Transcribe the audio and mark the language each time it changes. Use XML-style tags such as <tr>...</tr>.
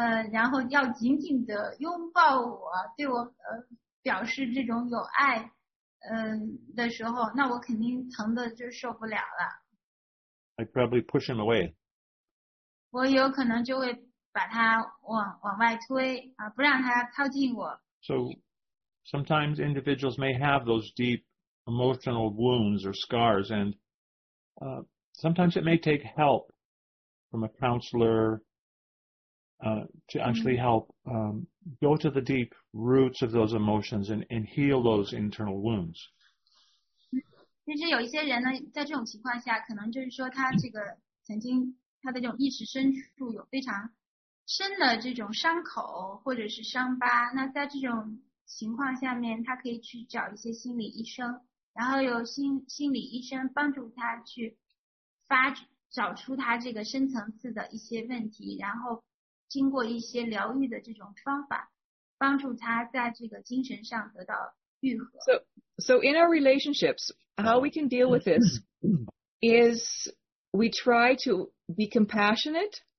<zh>然后要紧紧的拥抱我，对我表示这种有爱，的时候，那我肯定疼的就受不了了。</zh> <en>I probably push him away.</en> <zh>我有可能就会把他往外推啊，不让他靠近我。</zh> <en>So sometimes individuals may have those deep emotional wounds or scars, and sometimes it may take help from a counselor. To actually help go to the deep roots of those emotions and heal those internal wounds.</en> <zh>其实有一些人呢，在这种情况下，可能就是说他这个曾经他的这种意识深处有非常深的这种伤口或者是伤疤。那在这种情况下面，他可以去找一些心理医生，然后由心理医生帮助他去找出他这个深层次的一些问题，然后。经过一些疗愈的这种方法，帮助他在这个精神上得到愈合。</zh> <en>So in our relationships, how we can deal with this is we try to be compassionate</en>